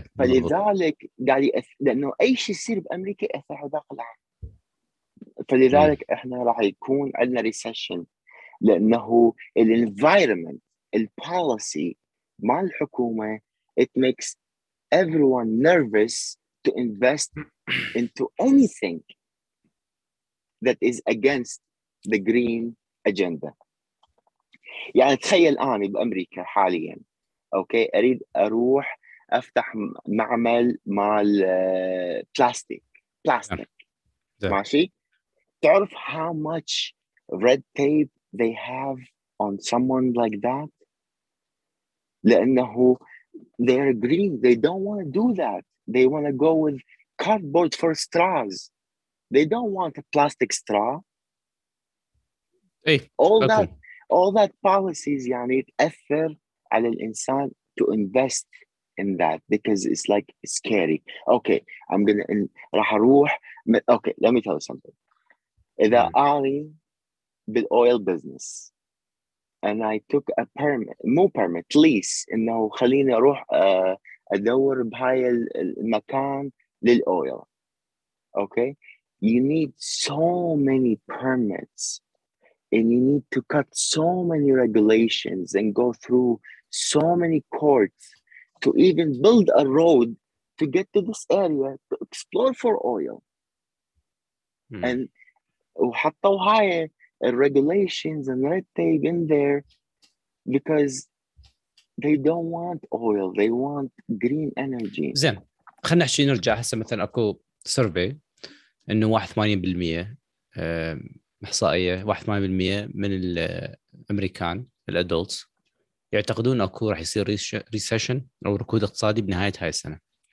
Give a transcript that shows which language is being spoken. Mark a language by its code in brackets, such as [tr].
[ar] فلذلك قال لأنه أي شيء يصير بأمريكا يأثر على باقي العالم. فلذلك إحنا راح يكون عندنا recession, لأنه ال environment, ال policy مع الحكومة, it makes everyone nervous [en] to invest into anything that is against the green agenda. [ar] يعني تخيل أنا بأمريكا حالياً، أوكي، أريد أروح أفتح معمل مع البلاستيك، بلاستيك، ماشي؟ تعرف how much red tape they have on someone like that؟ لأنه they're green, they don't want to do that. [en] They want to go with cardboard for straws. They don't want a plastic straw. Hey, all okay. that, all that policies, يعني تأثر على الإنسان to invest in that because it's like scary. Okay, I'm gonna راح أروح. Okay, let me tell you something. [ar] إذا أعني بالoil business and I took a permit, مو permit, lease, إنه خليني أروح أدور بهاي المكان للoil. [en] Okay, you need so many permits and you need to cut so many regulations and go through so many courts to even build a road to get to this area to explore for oil. And وحطوا هاي regulations and red tape in there because they don't want oil, they want green energy. [ar] زين خلنا نحكي نرجع هسه مثلا اكو سيرفي انه 81% احصائيه 81% من الامريكان الادلتس يعتقدون اكو راح يصير ريسيشن او ركود اقتصادي بنهايه هاي السنه.